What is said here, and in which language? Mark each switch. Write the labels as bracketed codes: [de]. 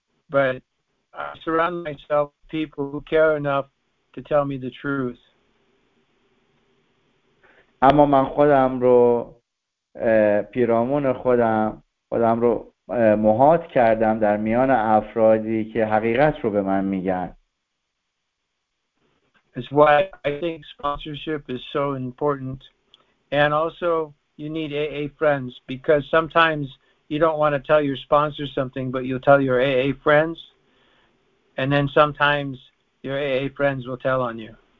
[en] but I surround myself with people who care enough to tell me the truth. [fa] اما من خودم رو پیرامون خودم رو محاط کردم در میان افرادی که حقیقت رو به من میگن. [en] That's why I think sponsorship is so important. And also, you need AA friends, because sometimes you don't want to tell your sponsor something, but you'll tell your AA friends. And then sometimes your AA friends will tell on you.